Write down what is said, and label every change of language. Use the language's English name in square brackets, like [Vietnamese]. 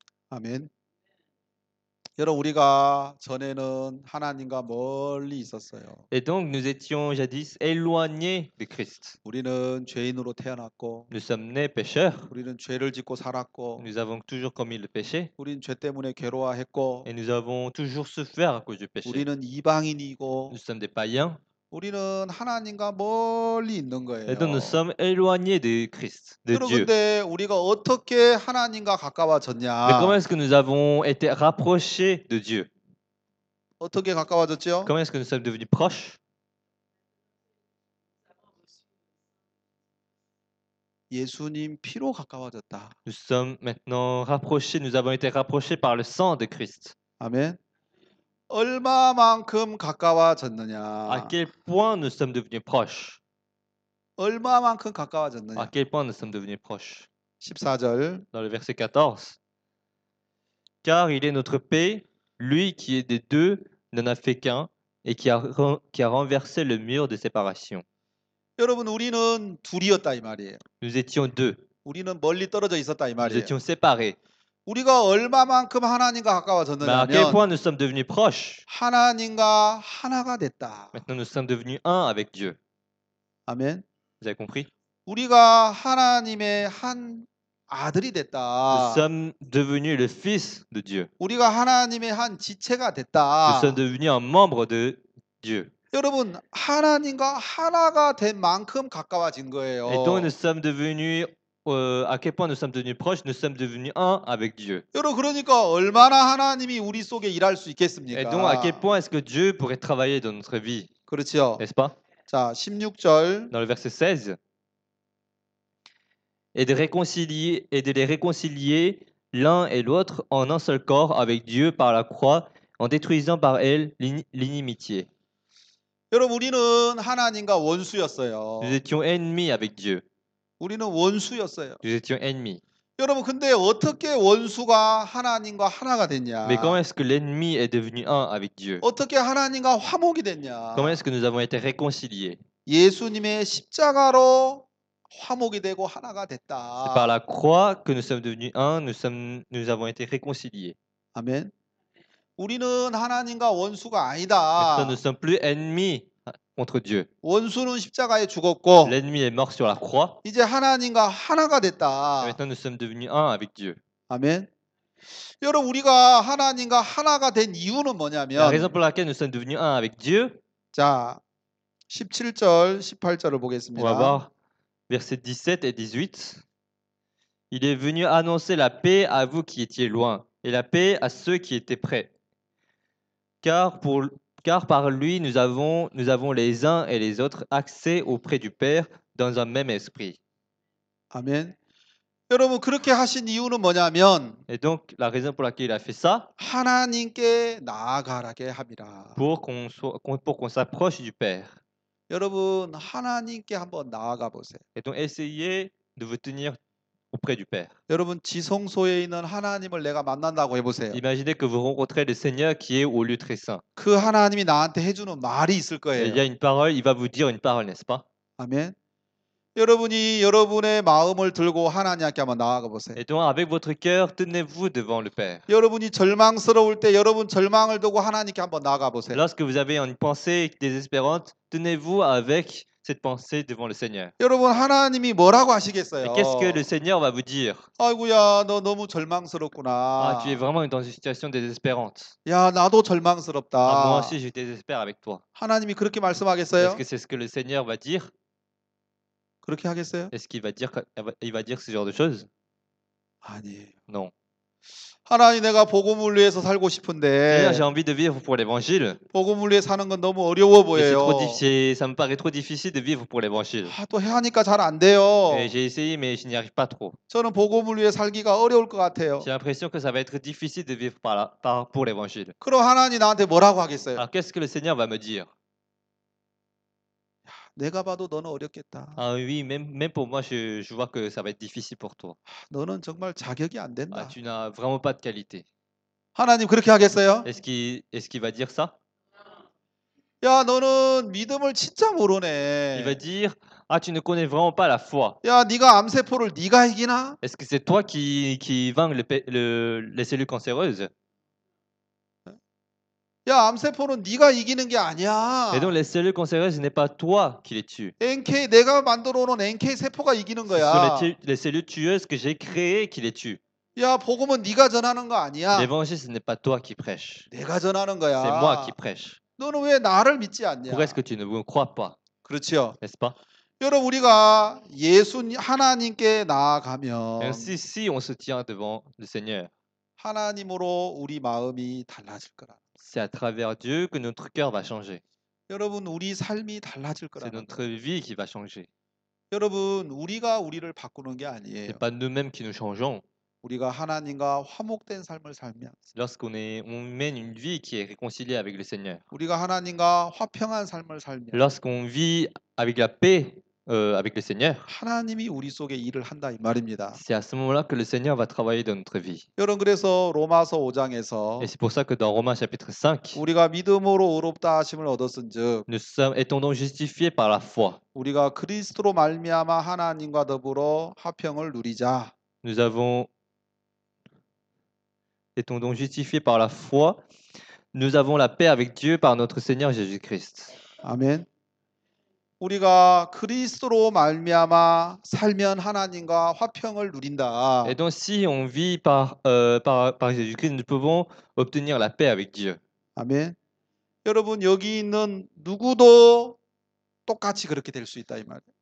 [Korean] 아멘. 여러분, 우리가 전에는 하나님과 멀리 있었어요. [French] Et donc, nous étions jadis éloignés de Christ. [Korean] 우리는 죄인으로 태어났고, [French] Nous sommes nés pécheurs. [Korean] 우리는 죄를 짓고 살았고, [French] Nous avons toujours commis le péché. [Korean] 우리는 죄 때문에 괴로워했고, [French] Et nous avons toujours souffert à cause du péché. [Korean] 우리는 이방인이고, [French] Nous sommes des païens. [Korean] 우리는 하나님과 멀리 있는 [French] Et donc, nous sommes éloignés de Christ, de Dieu. [Korean] 그런데 우리가 어떻게 하나님과 [French] Mais [Korean] 가까워졌냐? [French] comment est-ce que nous avons été rapprochés de Dieu? [Korean] 어떻게 가까워졌죠? [French] Comment est-ce que nous sommes devenus proches? [Korean] 예수님 피로 가까워졌다. [French] Nous sommes maintenant rapprochés, nous avons été rapprochés par le sang de Christ. [Korean] 아멘. 얼마만큼 [French] À [Korean] 가까워졌느냐? [French] quel point nous sommes devenus proches? [Korean] 얼마만큼 가까워졌느냐? [French] À quel point nous sommes devenus proches? [Korean] 14절. [French] 14. Dans le verset 14. Car il est notre paix, lui qui est des deux, n'en a fait qu'un et qui a renversé le mur de séparation. [Korean] 여러분, 우리는 둘이었다 이 말이에요. [French] Nous étions deux. [Korean] 우리는 멀리 떨어져 있었다 이 [French] Nous [Korean] 말이에요. [French] étions séparés. [Korean] 우리가 얼마만큼 하나님과 [French] Mais à quel [Korean] 가까워졌느냐면 [French] point nous sommes devenus proches? [Korean] 하나님과 하나가 됐다. [French] Maintenant nous sommes devenus un avec Dieu. [Korean] 아멘. [French] Vous avez compris? [Korean] 우리가 하나님의 한 아들이 [French] Nous [Korean] 됐다. [French] sommes devenus le Fils de Dieu. [Korean] 우리가 하나님의 한 지체가 [French] Nous [Korean] 됐다. [French] sommes devenus un membre de Dieu. [Korean] 여러분, 하나님과 하나가 된 만큼 가까워진 [French] Et donc, nous sommes devenus. À quel point nous sommes devenus proches? Nous sommes devenus un avec Dieu. [Korean] 여러분, 그러니까 얼마나 하나님이 우리 속에 일할 수 [French] Et donc, à quel [Korean] 있겠습니까? [French] point est-ce que Dieu pourrait travailler dans notre vie? [Korean] 그렇죠. [French] N'est-ce pas? [Korean] 자, 16절. [French] Dans le verset 16. Et de les réconcilier l'un et l'autre en un seul corps avec Dieu par la croix, en détruisant par elle l'inimitié. [Korean] 여러분, 우리는 하나님과 원수였어요. [French] Nous étions ennemis avec Dieu. [Korean] 우리는 원수였어요. [French] 여러분, Nous étions ennemis. [Korean] 근데 어떻게 원수가 하나님과 하나가 [French] Mais [Korean] 됐냐? [French] comment est-ce que l'ennemi est devenu un avec Dieu? [Korean] 어떻게 하나님과 화목이 됐냐? [French] Comment est-ce que nous avons été réconciliés? [Korean] 예수님의 십자가로 화목이 되고 하나가 [French] C'est par la croix que nous sommes devenus un, nous avons été réconciliés. [Korean] 아멘. 우리는 하나님과 원수가 아니다. 맞다, [French] nous sommes plus ennemis contre Dieu. [Korean] 원수는 십자가에 죽었고, [French] L'ennemi est mort sur la croix. [Korean] 이제 하나님과 하나가 됐다. 맞다, [French] nous sommes devenus un avec Dieu. [Korean] 아멘. 여러분, 우리가 하나님과 하나가 된 이유는 [French] La raison [Korean] 뭐냐면, [French] pour laquelle nous sommes devenus un avec Dieu. [Korean] 자, 17절, 18절을 [French] On va [Korean] 보겠습니다. [French] voir. Versets 17 et 18. Il est venu annoncer la paix à vous qui étiez loin et la paix à ceux qui étaient près. Car par lui, nous avons les uns et les autres accès auprès du Père dans un même esprit. [Korean] 아멘. 여러분, 그렇게 하신 이유는 뭐냐면 [French] Et donc, la raison pour laquelle il a fait ça, [Korean] 하나님께 나아가라게 합니다. [French] pour qu'on s'approche du Père. [Korean] 여러분, 하나님께 한번 나아가 보세요. [French] Et donc, essayez de vous tenir auprès du Père. [Korean] 여러분, 지성소에 있는 하나님을 내가 만난다고 해보세요. [French] Imaginez que vous rencontrez le Seigneur qui est au lieu très saint. Que [Korean] 하나님이 나한테 해주는 말이 있을 [French] Il y [Korean] 거예요. [French] a une parole, il va vous dire une parole, n'est-ce pas? [Korean] 아멘. 여러분이 여러분의 마음을 들고 하나님께 한번 나아가 보세요. [French] Et donc, avec votre cœur, tenez-vous devant le Père. [Korean] 여러분이 절망스러울 때 여러분 절망을 두고 하나님께 한번 나아가 보세요. [French] Lorsque vous avez une pensée désespérante, tenez-vous avec cette pensée devant le Seigneur. [Korean] 여러분 하나님이 뭐라고 [French] Et qu'est-ce que [Korean] 하시겠어요? [French] le Seigneur va vous dire? [Korean] 아이고야, 너 너무 [French] Ah, tu [Korean] 절망스럽구나. [French] es vraiment dans une situation désespérante. [Korean] 야, 나도 [French] Ah, moi [Korean] 절망스럽다. [French] aussi, je désespère avec toi. [Korean] 하나님이 그렇게 [French] Est-ce [Korean] 말씀하겠어요? [French] que c'est ce que le Seigneur va dire? [Korean] 그렇게 하겠어요? [French] Est-ce qu'il va dire ce genre de choses? [Korean] 아니에요. [French] Non. [Korean] 하나님, 내가 복음을 위해서 살고 [French] Seigneur, j'ai [Korean] 싶은데 [French] envie de vivre pour l'évangile. [Korean] 복음을 위해 사는 건 너무 어려워 [French] Mais c'est trop [Korean] 보여요. [French] difficile, ça me paraît trop difficile de vivre pour l'évangile. [Korean] 아, 또 해하니까 잘안 돼요. [French] Et j'ai essayé, mais je n'y arrive pas trop. [Korean] 저는 복음을 위해 살기가 어려울 것 같아요. [French] J'ai l'impression que ça va être difficile de vivre pour l'évangile. [Korean] 그럼 하나님 나한테 뭐라고 하겠어요? [French] Alors, qu'est-ce que le Seigneur va me dire? [Korean] 내가 봐도 너는 어렵겠다. [French] 아, oui, même pour moi, je vois que ça va être difficile pour toi. [Korean] 너는 정말 자격이 안 된다. [French] tu n'as vraiment pas de qualité. [Korean] 하나님 그렇게 하겠어요? [French] est-ce qu'il va dire ça? [Korean] 야, 너는 믿음을 진짜 [French] Il va [Korean] 모르네. [French] dire, ah, tu ne connais vraiment pas la foi. [Korean] 야, 네가 암세포를 네가 이기나? [French] Est-ce que c'est toi qui vainc les cellules cancéreuses? [Korean] 야, 암세포는 네가 이기는 게 아니야. [French] Et donc, les cellules cancéreuses, ce n'est pas toi qui les tues. [Korean] NK, 내가 만들어 놓은 NK 세포가 이기는 [French] Ce sont [Korean] 거야. [French] les cellules tueuses que j'ai créées qui les tuent. [Korean] 야, 복음은 네가 전하는 거 아니야. [French] L'évangile, ce n'est pas toi qui prêches. [Korean] 내가 전하는 [French] C'est moi qui [Korean] 거야. [French] prêche. [Korean] 너는 왜 나를 믿지 않냐? 그래서 [French] que tu ne me crois pas. [Korean] 그렇지요. [French] N'est-ce pas? [Korean] 여러분, 우리가 예수 하나님께 나아가면 [French] Ainsi, si on se tient devant le Seigneur, [Korean] 하나님으로 우리 마음이 달라질 거라. [French] c'est à travers Dieu que notre cœur va changer. [Korean] 여러분, 우리 삶이 달라질 [French] C'est [Korean] 거라는 거예요. [French] notre vie qui va changer. [Korean] 여러분, 우리가 우리를 바꾸는 게 아니에요. [French] C'est pas nous-mêmes qui nous changeons. [Korean] 우리가 하나님과 화목된 삶을 살면서 [French] Lorsqu'on mène une vie qui est réconciliée avec le Seigneur. [Korean] 우리가 하나님과 화평한 삶을 살면 [French] Lorsqu'on vit avec la paix, avec le Seigneur. [Korean] 하나님이 우리 속에 일을 한다 이 말입니다. [French] C'est à ce moment-là que le Seigneur va travailler dans notre vie. [Korean] 여러분, 그래서 로마서 5장에서 [French] Et c'est pour ça que dans Romains chapitre 5, [Korean] 우리가 믿음으로 의롭다 하심을 얻었은즉 [French] étant donc justifiés par la foi, [Korean] 우리가 그리스도로 말미암아 하나님과 더불어 화평을 누리자. [French] étant donc justifiés par la foi, nous avons la paix avec Dieu par notre Seigneur Jésus-Christ. [Korean] 아멘. 우리가 그리스도로 말미암아 살면 하나님과 화평을 누린다. [French] Et donc, si on vit par Jésus-Christ, nous pouvons obtenir la paix avec Dieu. [Korean] 아멘. 여러분, 여기 있는 누구도 똑같이 그렇게 될수 있다 이 말이에요.